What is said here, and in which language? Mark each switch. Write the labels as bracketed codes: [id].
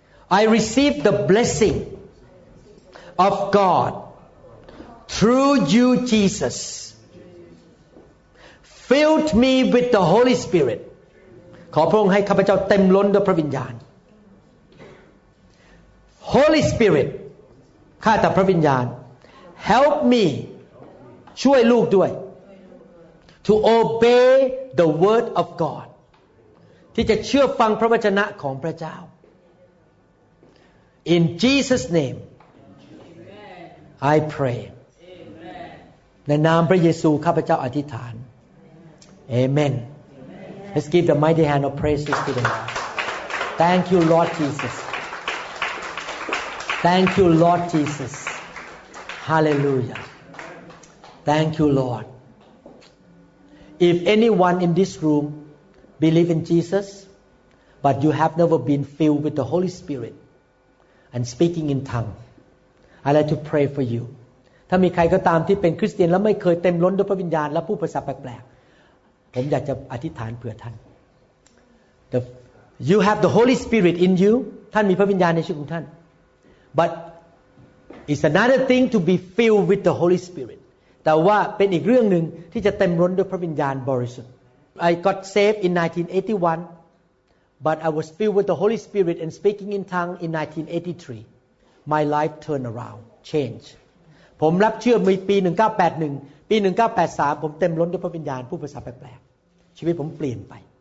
[en] I receive the blessing of God through you, Jesus. Filled me with the Holy Spirit. [th] ขอพระองค์ให้ข้าพเจ้าเต็มล้นด้วยพระวิญญาณ Holy Spirit, ข้าแต่พระวิญญาณ [en] Help me, [th] ช่วยลูกด้วย [en] To obey the word of God, [th] ที่จะเชื่อฟังพระวจนะของพระเจ้า [en] In Jesus' name, I pray. [th] ในนามพระเยซูข้าพเจ้าอธิษฐาน Amen. [en] Let's give the mighty hand of praise to the Lord. Thank you, Lord Jesus. Thank you, Lord Jesus. Hallelujah. Thank you, Lord. If anyone in this room believes in Jesus, but you have never been filled with the Holy Spirit and speaking in tongue, I'd like to pray for you. [th] ถ้ามีใครก็ตามที่เป็นคริสเตียนแล้วไม่เคยเต็มล้นด้วยพระวิญญาณและพูดภาษาแปลกผมอยากจะอธิษฐานเผื่อท่าน [en] You have the Holy Spirit in you [th] ท่านมีพระวิญญาณในชีวิตของท่าน [en] But it's another thing to be filled with the Holy Spirit [th] แต่ว่าเป็นอีกเรื่องนึงที่จะเต็มล้นด้วยพระวิญญาณบริสุทธิ์ [en] I got saved in 1981 but I was filled with the Holy Spirit and speaking in tongue in 1983 My life turned around changed [th] ผมรับเชื่อในปี1981ปี1983ผมเต็มล้นด้วยพระวิญญาณผู้ภาษาแปลกๆชีวิตผมเปลี่ยนไป